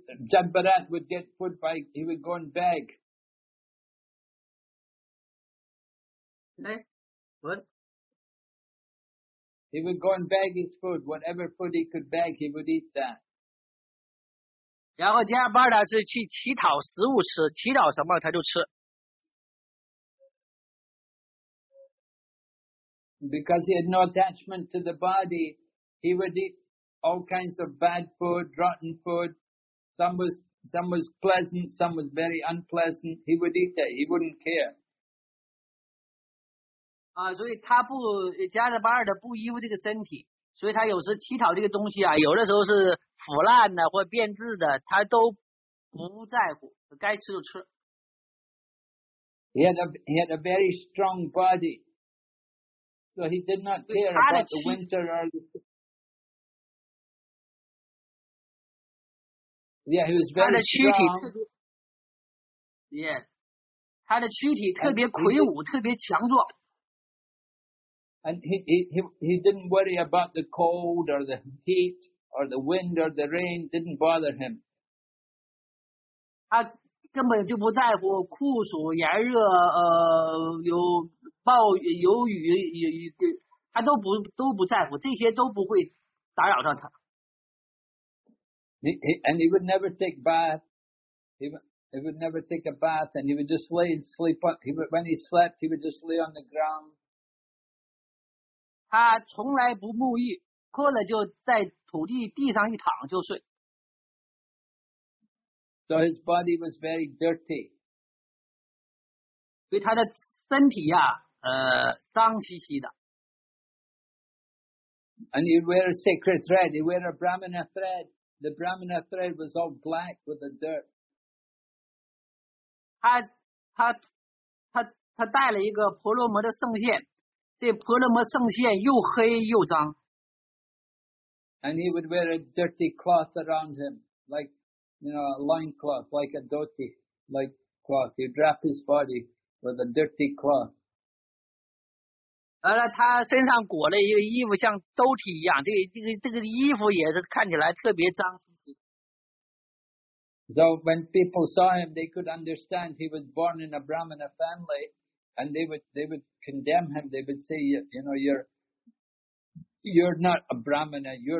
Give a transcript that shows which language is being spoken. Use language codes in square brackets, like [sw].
[en] Jad Bharat would get food by, he would go and beg. What? He would go and beg his food, whatever food he could beg, he would eat that. [zh] 然后加巴达是去乞讨食物吃，乞讨什么他就吃。 [en] Because he had no attachment to the body, he would eat all kinds of bad food, rotten food. Some was pleasant, some was very unpleasant. He would eat that. He wouldn't care. [zh] 啊，所以他不加德巴尔的不依附这个身体，所以他有时乞讨这个东西啊，有的时候是腐烂的或变质的，他都不在乎，该吃就吃。 [en] He had a very strong body, so he did not care about the winter or the summer. Yeah, he was very strong. [zh] Yes, 他的躯体特别魁梧，特别强壮。 [en] And he didn't worry about the cold or the heat or the wind or the rain. Didn't bother him. [zh] 他根本就不在乎酷暑炎热，有暴雨有雨，他都不在乎，这些都不会打扰到他。 [en] And he would never take bath. He would never take a bath, and he would just lay and sleep. When he slept, he would just lay on the ground. [zh] 他从来不沐浴，困了就在土地地上一躺就睡。 [en] So his body was very dirty. [zh] 所以他的身体呀、脏兮兮的。 [en] And he'd wear a sacred thread. He'd wear a Brahmana thread. The Brahmana thread was all black with the dirt. [zh] 他带了一个婆罗门的圣线。这婆罗门圣线又黑又脏。 [en] And he would wear a dirty cloth around him, like, you know, a loin cloth, like a dhoti, like cloth. He'd wrap his body with a dirty cloth. [zh] 而他身上裹了一个衣服像兜体一样，这个衣服也是看起来特别脏兮兮。 [en] So when people saw him, they could understand he was born in a Brahmana family. And they would condemn him. They would say, you know, you're not a Brahmana.